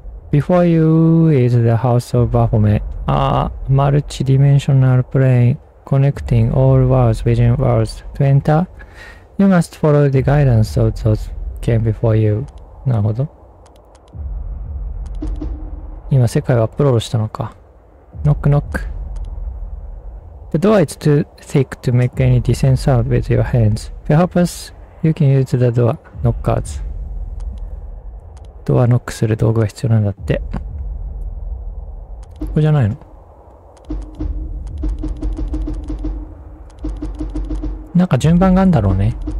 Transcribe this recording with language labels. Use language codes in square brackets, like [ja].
[en] Before you is the house of Baphomet, a multi-dimensional plane connecting all worlds within worlds. To enter, you must follow the guidance of those came before you. [ja] なるほど。今世界をアップロードしたのか。ノックノック。 [en] The door is too thick to make any decent sound with your hands. If you help us, you can use the door knockers. [ja] ドアノックする道具が必要なんだって。これじゃないの？なんか順番があるんだろうね。